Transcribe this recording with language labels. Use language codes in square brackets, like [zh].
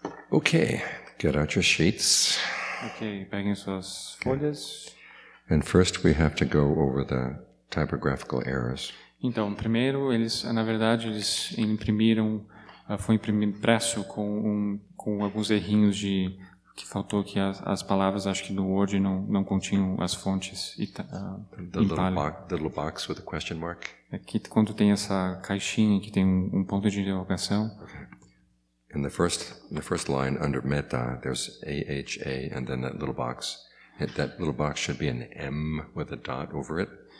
[en] Okay, get out your sheets. [pt] Okay, peguem suas folhas. [en] And first we have to go over the typographical errors. [pt] Então, primeiro eles, na verdade, eles imprimiram, foi impresso com alguns errinhos de que faltou que as palavras, acho que no Word não continham as fontes e [en] the little box with the question mark. [pt] Aqui quando tem essa caixinha que tem um ponto de interrogação. [en] In the first line under meta, there's AHA and then that little box. That little box should be an M with a dot over it.